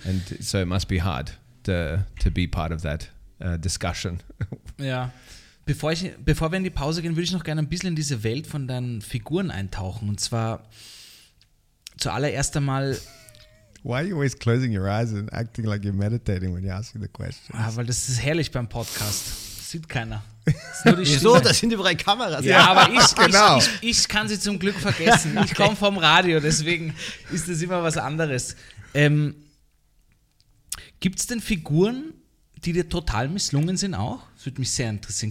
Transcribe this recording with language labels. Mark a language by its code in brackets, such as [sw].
[en] And so it must be hard to be part of that discussion. Yeah. [de] Bevor wir in die Pause gehen, würde ich noch gerne ein bisschen in diese Welt von deinen Figuren eintauchen. Und zwar zuallererst einmal... [en] Why are you always closing your eyes and acting like you're meditating when you're asking the questions? [de] Ah, weil das ist herrlich beim Podcast. Das sieht keiner. Wieso? Da sind überall Kameras. Ja, aber ich kann sie zum Glück vergessen. Ich komme vom Radio, deswegen ist das immer was anderes. Gibt es denn Figuren, die dir total misslungen sind auch? Das würde mich sehr interessieren.